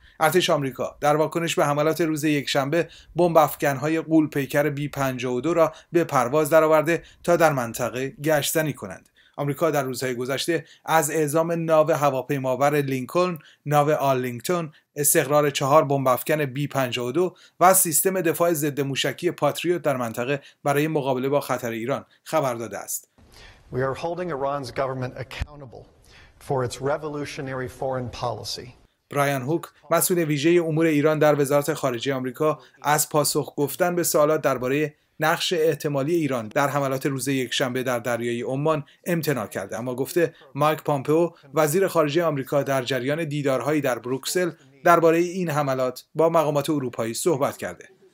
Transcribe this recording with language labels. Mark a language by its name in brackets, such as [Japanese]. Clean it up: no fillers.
[Persian] ارتش آمریکا در واکنش به حملات روز یکشنبه بمب افکن‌های غول‌پیکر B-52 را به پرواز درآورده تا در منطقه گشتنی کنند. آمریکا در روزهای گذشته از اعزام ناو هواپیمابر لینکلن، ناو آرلینگتون، استقرار 4 بمب افکن B-52 و سیستم دفاع ضد موشکی پاتریوت در منطقه برای مقابله با خطر ایران خبر داده است. [English] We are holding Iran's government accountable for its revolutionary foreign policy. [Persian] برایان هوک، مسئول ویژه امور ایران در وزارت خارجه آمریکا، از پاسخ گفتن به سوالات درباره نقش احتمالی ایران در حملات روز یکشنبه در دریای عمان امتناع کرده، اما گفته مایک پامپئو وزیر خارجه آمریکا در جریان دیدارهایی در بروکسل درباره این حملات با مقامات اروپایی صحبت کرده.